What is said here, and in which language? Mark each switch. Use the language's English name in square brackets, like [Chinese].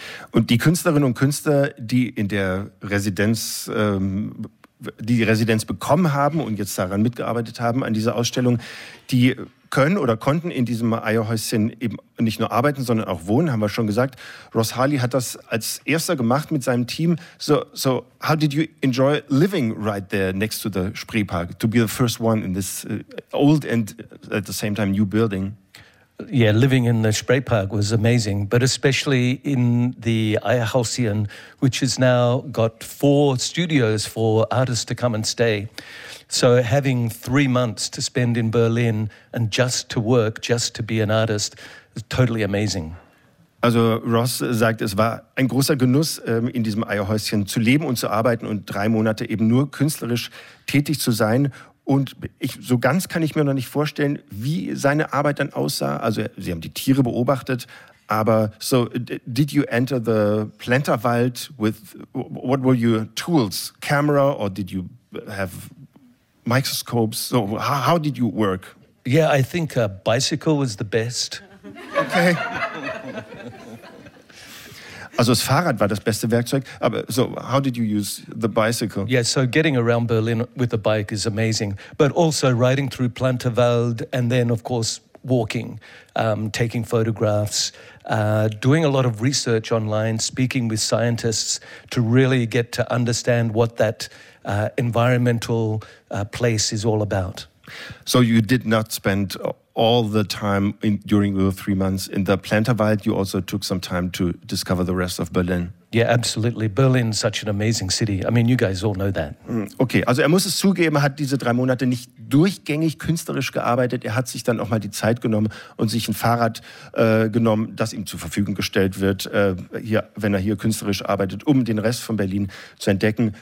[German] Und die Künstlerinnen und Künstler, die in der Residenz, die Residenz bekommen haben und jetzt daran mitgearbeitet haben an dieser Ausstellung, die können oder konnten in diesem Eierhäuschen eben nicht nur arbeiten, sondern auch wohnen, haben wir schon gesagt. Ross Harley hat das als erster gemacht mit seinem Team. [English] So, how did you enjoy living right there next to the Spreepark, to be the first one in this old and at the same time new building? Yeah, living in the Spreepark was amazing, but especially in the Eierhäuschen, which has now got 4 studios for artists to come and stay. So having 3 months to spend in Berlin and just to work, just to be an artist, is totally amazing. [German] Also Ross sagt, es war ein großer Genuss, in diesem Eierhäuschen zu leben und zu arbeiten und 3 Monate eben nur künstlerisch tätig zu sein. Und ich, so ganz kann ich mir noch nicht vorstellen, wie seine Arbeit dann aussah. Also sie haben die Tiere beobachtet, aber [English] so did you enter the Planterwald with, what were your tools, camera or did you have microscopes? So how did you work? Yeah, I think a bicycle was the best. Okay. [German] Also das Fahrrad war das beste Werkzeug, aber [English] so how did you use the bicycle? Yeah, so getting around Berlin with a bike is amazing, but also riding through Planterwald and then of course walking, taking photographs, doing a lot of research online, speaking with scientists to really get to understand what that environmental place is all about. So you did not spend all the time during the 3 months in the Planterwald. You also took some time to discover the rest of Berlin. Yeah, absolutely. Berlin is such an amazing city. I mean, you guys all know that. [German] Okay, also er muss es zugeben, hat diese 3 Monate nicht durchgängig künstlerisch gearbeitet. Er hat sich dann auch mal die Zeit genommen und sich ein Fahrrad genommen, das ihm zur Verfügung gestellt wird, hier, wenn er hier künstlerisch arbeitet, um den Rest von Berlin zu entdecken.